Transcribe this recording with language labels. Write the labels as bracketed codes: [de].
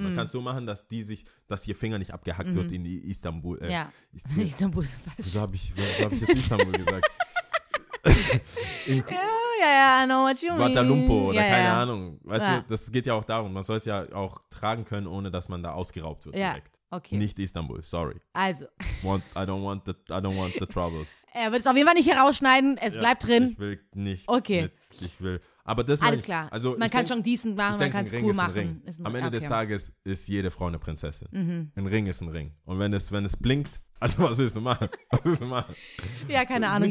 [de] Mhm. Man kann es so machen, dass ihr Finger nicht abgehackt wird in Istanbul. Istanbul ist falsch. Wieso hab ich jetzt Istanbul gesagt? [en] I know what you mean. [de] Guadalumpo oder keine Ahnung. Weißt du, das geht ja auch darum. Man soll es ja auch tragen können, ohne dass man da ausgeraubt wird direkt. Okay. Nicht Istanbul, sorry. Also. [en] I don't want the troubles. [de] Er wird es auf jeden Fall nicht herausschneiden, es bleibt drin. Ich will nichts. Okay. Aber das alles klar. Also, man kann es schon decent machen, man kann es cool machen. Am Ende des Tages ist jede Frau eine Prinzessin. Mhm. Ein Ring ist ein Ring. Und wenn es blinkt, also was willst du machen? Ja, keine Ahnung.